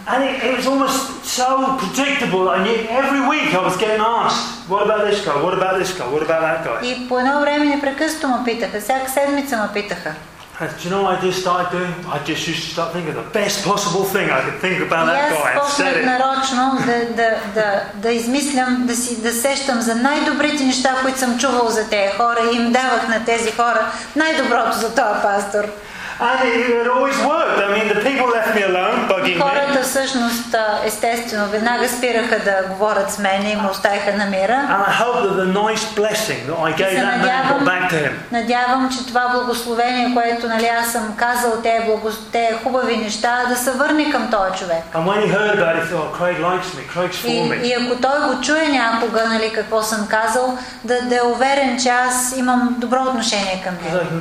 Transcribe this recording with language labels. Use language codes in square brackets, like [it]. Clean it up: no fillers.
[en] And it was almost so predictable, and yet every week I was getting asked, what about this guy, what about this guy, what about that guy? [bg] И по едно време непрекъснато ме питаха, всяка седмица ме питаха. [en] And you know what I just started doing? I just used to start thinking the best possible thing I could think about that guy and said it. [bg] Нарочно да измислям, да сещам за най-добрите неща, които съм чувал за тези хора и им давах на тези хора най-доброто за този пастор. [en] And it always worked. I mean, the people left me alone, bugging me. [bg] Хората всъщност, естествено, веднага спираха да говорят с мен и му оставиха на мира. [en] And I hope that the nice blessing that I gave that man got back to him. [bg] Надявам, че това благословение, което, нали, аз съм казал те хубави неща, да се върне към този човек. [en] And when he heard that, he thought, Craig likes me, Craig's for me. [bg] И ако той го чуе някога, нали, какво съм казал, да е уверен, че аз имам добро отношение към него.